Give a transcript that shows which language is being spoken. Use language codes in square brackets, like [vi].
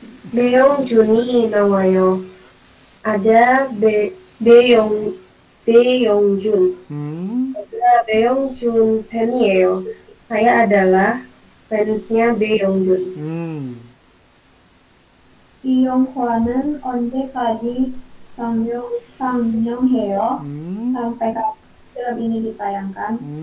[ko] Bae Yong Jun 나와요. [id] Ada Bae Yong Jun. [ko] Bae Yong Jun fan이에요. [id] Saya adalah fans-nya Bae Yong Jun. [ko] 이 영화는 언제까지 상영해요? [id] Sampai film ini ditayangkan?